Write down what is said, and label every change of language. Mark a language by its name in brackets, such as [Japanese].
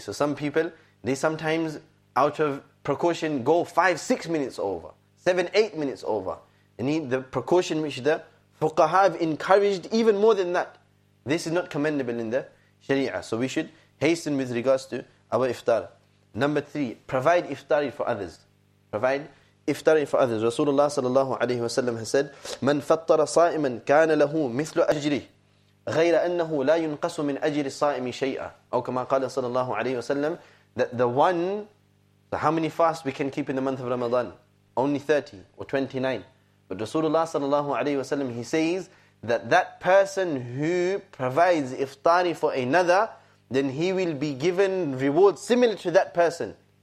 [English] So some people, they sometimes, out of precaution, go 5-6 minutes over, 7-8 minutes over. And the precaution which the fuqaha have encouraged even more than that, this is not commendable in the sharia. So we should hasten with regards to our iftar. Number three, provide iftari for others. Provide iftari for others. Rasulullah sallallahu alayhi wa sallam has said, [Arabic] من فطر صائما كان له مثل أجره غير أنه لا ينقص من أجر الصائم شيئا. أو كما قال صلى الله عليه وسلم, [English] that the one, so how many fasts we can keep in the month of Ramadan? Only 30 or 29. But Rasulullah sallallahu alayhi wa sallam, he says that person who provides iftari for another, then he will be given reward similar to that person.